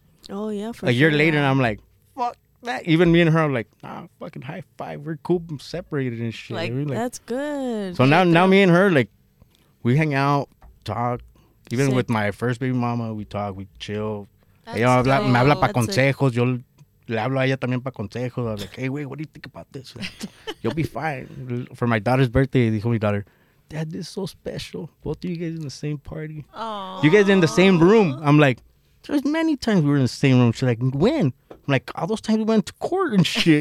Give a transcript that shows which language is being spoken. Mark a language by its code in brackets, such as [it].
[en] Oh, yeah, for a sure. A year later, and I'm like, fuck, that. Even me and her, I'm like, nah, fucking high five. We're cool. I'm separated and shit. Like, that's good. So now me and her, like, we hang out, talk. Even with my first baby mama, we talk, we chill. [es] Me habla para consejos. Yo le hablo a ella también para consejos. [en] I'm like, hey, wait, what do you think about this? You'll be fine. For my daughter's birthday, [es] dijo mi [en] daughter, Dad, this is so special. Both of you guys in the same party. Aww. You guys in the same room. I'm like, there's many times we were in the same room. She's like, when? I'm like, all those times we went to court and shit.